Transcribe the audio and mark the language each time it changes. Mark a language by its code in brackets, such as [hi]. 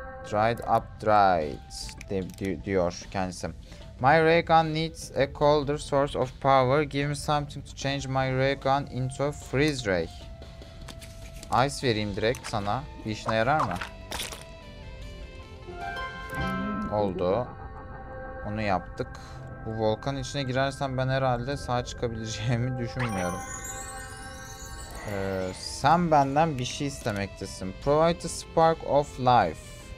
[en] Dried up dried [tr] diyor kendisi. [en] My ray gun needs a colder source of power. Give me something to change my ray gun into freeze ray. [tr] Ice vereyim direkt sana. Bir işine yarar mı? Oldu. Onu yaptık. Bu volkan içine girersem ben herhalde sağ çıkabileceğimi düşünmüyorum. Sen benden bir şey istemektesin. [en] Provide the spark of life.